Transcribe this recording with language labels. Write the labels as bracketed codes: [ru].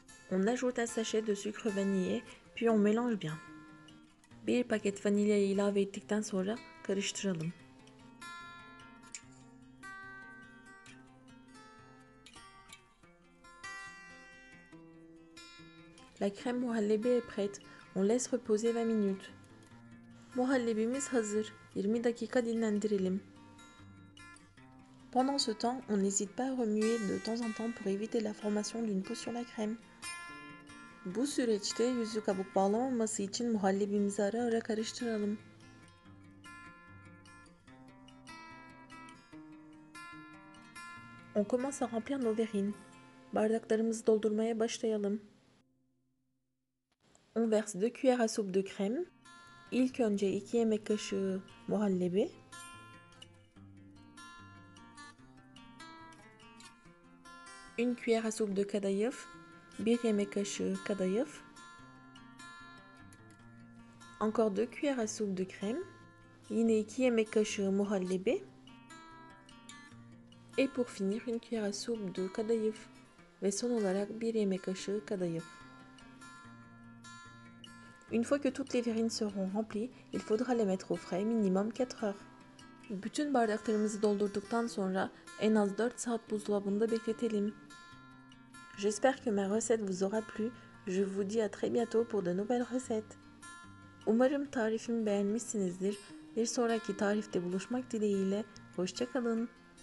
[fr] On ajoute un sachet de sucre vanillé, puis on mélange bien. [tr] Bir paket vanilyayı ilave ettikten sonra karıştıralım. [fr] La crème muhallebi est prête. On laisse reposer 20 minutes. [tr] Muhallebimiz hazır. 20 dakika dinlendirelim. [fr] Pendant ce temps, on n'hésite pas à remuer de temps en temps pour éviter la formation d'une peau sur la crème. [tr] Bu süreçte yüzü kabuk bağlamaması için muhallebimizi ara ara karıştıralım. [fr] On commence à remplir nos verrines. [tr] Bardaklarımızı doldurmaya başlayalım. [fr] On verse 2 cuillères à soupe de crème. [tr] İlk önce 2 yemek kaşığı muhallebi. [fr] Une cuillère à soupe de kadayıf. [tr] Bir yemek kaşığı kadayıf. [fr] Encore 2 cuillères à soupe de crème. [tr] Yine 2 yemek kaşığı muhallebi. [fr] Et pour finir, une cuillère à soupe de kadayıf. [tr] Ve son olarak bir yemek kaşığı kadayıf. [fr] Une fois que toutes les verrines seront remplies, il faudra les mettre au frais minimum 4 heures. [tr] Bütün bardaklarımızı doldurduktan sonra en az 4 saat buzdolabında bekletelim. [fr] J'espère que ma recette vous aura plu. Je vous dis à très bientôt pour de nouvelles recettes. [tr] Umarım tarifimi beğenmişsinizdir. Bir sonraki tarifte buluşmak dileğiyle. Hoşça kalın.